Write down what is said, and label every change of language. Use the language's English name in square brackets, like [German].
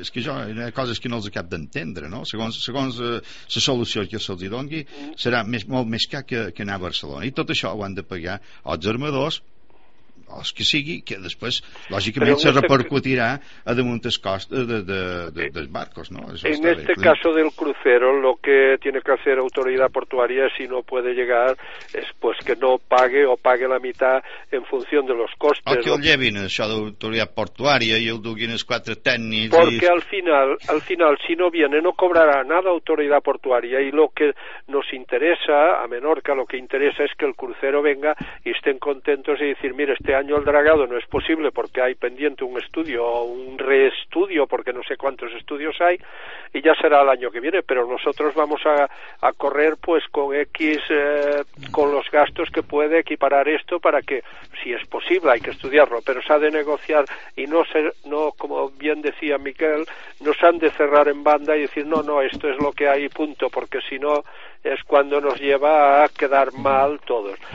[Catalan] És que jo, hi ha coses que no els acabo d'entendre, no? Segons la solució que se'ls doni, serà molt més car que anar a Barcelona, i tot això ho han de pagar els armadors, o que sigui, que després lògicament se repercutirà a damunt del cost dels barcos, no? [Spanish] En este caso del crucero, lo que tiene que hacer autoridad portuaria, si no puede llegar, es pues que no pague o pague la mitad en función de los costes. [Catalan] O que el llevin, això d'autoritat portuària, i el duguin els quatre tècnics. [Spanish] Porque al final, si no viene, no cobrará nada autoridad portuaria, y lo que nos interesa, a Menorca, lo que interesa es que el crucero venga y estén contentos y decir, mire, este año el dragado no es posible porque hay pendiente un estudio o un reestudio, porque no sé cuántos estudios hay, y ya será el año que viene, pero nosotros vamos a correr pues con X, con los gastos que puede equiparar esto, para que, si es posible, hay que estudiarlo, pero se ha de negociar y no ser, no, como bien decía Miquel, no se han de cerrar en banda y decir no, no, esto es lo que hay, punto, porque si no es cuando nos lleva a quedar mal todos.